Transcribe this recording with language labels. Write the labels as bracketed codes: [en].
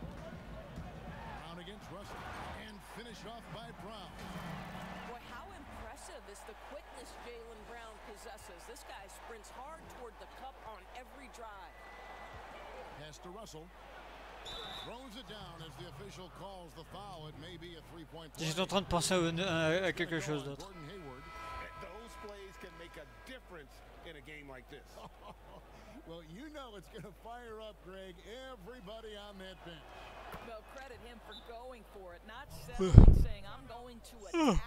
[en] Brown against Russell. And finish off by Brown. Boy, how impressive is the quickness Jaylen Brown possesses. This guy sprints hard toward the cup on every drive. Pass to Russell. Throws it down as the official calls the foul. It may be a 3-point play. [fr] J'étais en train de penser à quelque chose d'autre. [en] Those plays can make a difference in a game like this. Well, you know it's going to fire up, Greg, everybody on that bench. Well, credit him for going for it, not saying I'm going to attack.